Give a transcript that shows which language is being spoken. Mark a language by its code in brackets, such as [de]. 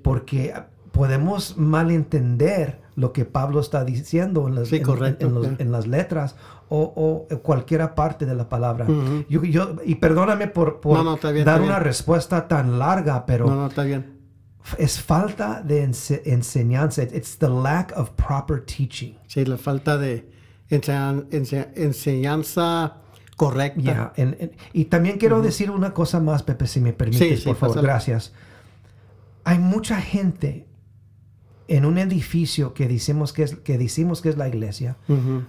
[es] Porque podemos malentender lo que Pablo está diciendo en las, sí, en las letras o en cualquiera parte de la palabra. Uh-huh. Y perdóname por dar una respuesta tan larga, pero está bien. Es falta de enseñanza. [en] It's the lack of proper teaching. [es] Sí, la falta de enseñanza correcta. Yeah, y también quiero uh-huh. decir una cosa más, Pepe, si me permites, sí, por favor. Pásale. Gracias. Hay mucha gente en un edificio que decimos que es la iglesia. Uh-huh.